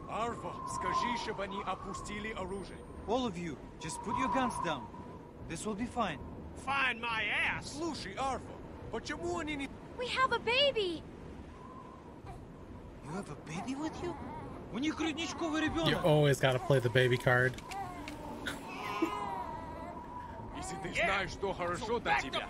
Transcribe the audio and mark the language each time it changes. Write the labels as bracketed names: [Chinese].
[Russian] Арва, скажи, чтобы они опустили оружие. [English] All of you, just put your guns down. This will be fine. Find my ass! [Russian] Слушай, Арва, почему они не... [English] We have a baby! You have a baby with you? [Russian] У них грудничковый ребенок! [English] You always gotta play the baby card. [Russian] Если ты знаешь, что хорошо для тебя,